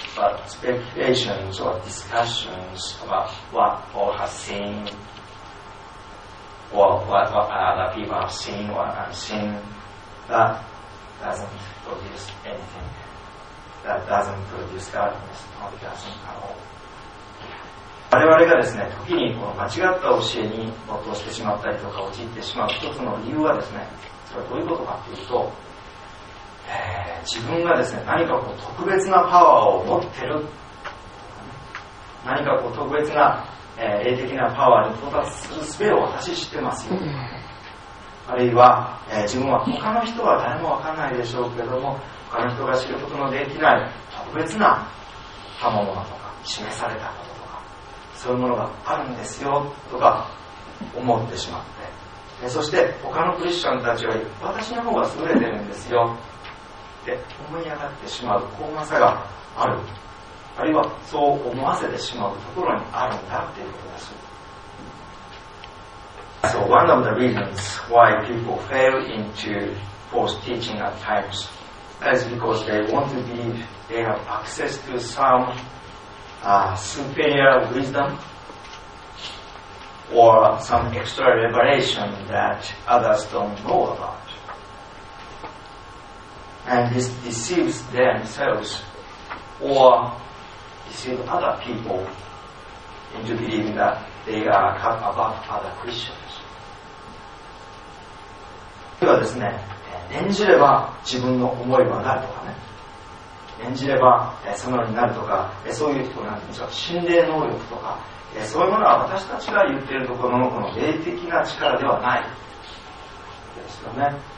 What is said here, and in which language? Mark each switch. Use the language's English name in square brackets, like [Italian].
[English] But speculations or discussions about what Paul has seen, or what other people have seen or unseen, that doesn't produce anything. That doesn't produce godliness, or doesn't at all. [Japanese] 我々がですね、時にこの間違った教えに没頭してしまったりとか陥ってしまう一つの理由はですね、それはどういうことかというと、自分がですね、何かこう特別なパワーを持ってる、何かこう特別な、霊的なパワーに到達する術を私知ってますよ、あるいは、自分は他の人は誰も分からないでしょうけれども、他の人が知ることのできない特別な賜物とか示されたこと、そういうものがあるんですよとか思ってしまって、そして他のクリスチャンたちより私の方が優れてるんですよって思い上がってしまう傲慢さがある、あるいはそう思わせてしまうところにあるんだっていうことです。 [English] So one of the reasons why people fail into false teaching at times is because they want to believe they have access to someSuperior wisdom or some extra revelation that others don't know about. And this deceives themselves or deceives other people into believing that they are cut above other Christians. [Japanese] ではですね、念じれば自分の思いはなるとかね、演じればそのようになるとか、そういうところなんでしょう、心霊能力とか、そういうものは私たちが言っているところのこの霊的な力ではないですよね。